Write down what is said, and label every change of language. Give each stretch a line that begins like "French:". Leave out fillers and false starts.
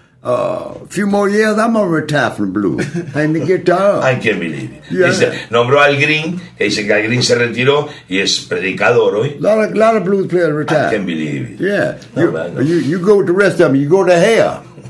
English: A few more years, I'm gonna retire from blues. And the guitar. I can't believe it. Yeah.
Spanish: Dice, nombró Al Green, dice que Al Green se retiró y es predicador hoy.
English: A lot of blues players retire. I can't believe it. Yeah. You go with the rest of them, you go to hell.